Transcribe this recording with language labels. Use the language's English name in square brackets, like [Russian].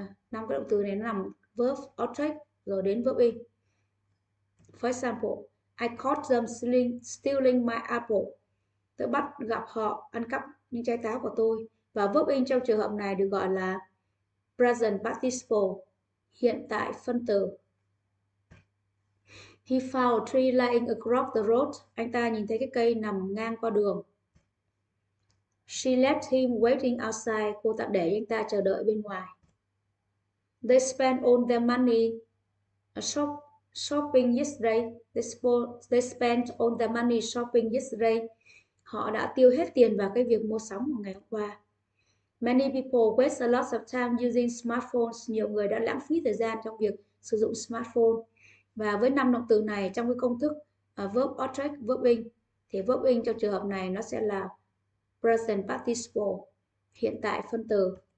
[Vietnamese] Năm cái động từ này nó nằm verb, object rồi đến verb in. [English] For example, I caught them stealing my apple. [Vietnamese] Tôi bắt gặp họ ăn cắp những trái táo của tôi. Và verb in trong trường hợp này được gọi là present participle, hiện tại phân từ. [English] He found a tree lying across the road. [Vietnamese] Anh ta nhìn thấy cái cây nằm ngang qua đường. [English] She left him waiting outside. [Vietnamese] Cô tạm để anh ta chờ đợi bên ngoài. [English] They spent all their money shopping yesterday. They spent all their money shopping yesterday. [Vietnamese] Họ đã tiêu hết tiền vào cái việc mua sắm vào ngày hôm qua. [English] Many people waste a lot of time using smartphones. [Vietnamese] Nhiều người đã lãng phí thời gian trong việc sử dụng smartphone. Và với năm động từ này trong cái công thức verb object, verb in, thì verb in trong trường hợp này nó sẽ là present participle, hiện tại phân từ.